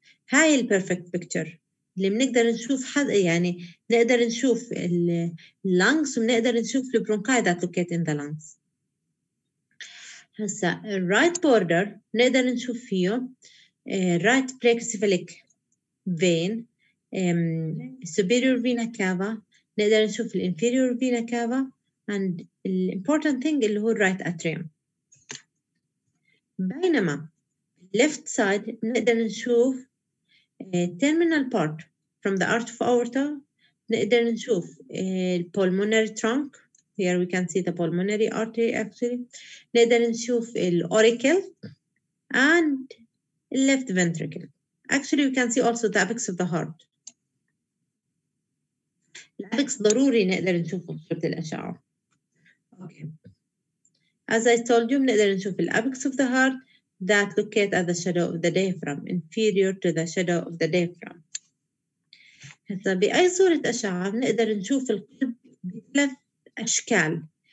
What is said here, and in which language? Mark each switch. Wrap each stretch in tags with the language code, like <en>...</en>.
<ar>هاي ال perfect picture اللي بنقدر نشوف حد، يعني نقدر نشوف ال lungs ونقدر نشوف</ar> <en>the bronchi that locate in the lungs.</en> <ar>هسا right border نقدر نشوف فيه right pre-cephalic vein. Superior vena cava نقدر نشوف الانفيريور فينا كافا</ar> <en>and the important thing is the right atrium.</en> <ar>بينما left side نقدر نشوف</ar> <en>terminal part from the arch of aorta.</en> <ar>نقدر نشوف pulmonary trunk.</ar> <en>Here we can see the pulmonary artery actually.</en> <ar>نقدر نشوف</ar> <en>auricle and left ventricle. Actually, we can see also the apex of the heart.</en> <ar>الapex ضروري نقدر نشوفه بصورة الأشعة.</ar> <en>Okay. As I told you,</en> <ar>نقدر نشوف</ar> <en>الapex of the heart that locate at the shadow of the diaphragm, inferior to the shadow of the diaphragm.</en> <ar>هسا بأي صورة أشعة نقدر نشوف القلب بثلاث أشكال.</ar>